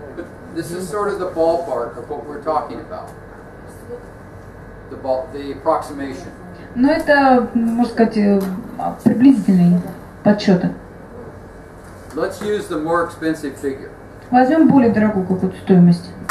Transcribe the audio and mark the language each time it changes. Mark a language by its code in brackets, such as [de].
[en] But this is sort of the ballpark of what we're talking about. The approximation. [ru] Но это, можно сказать, приблизительный подсчет. [en] Let's use the more expensive figure. [ru] Возьмем более дорогую какую-то стоимость.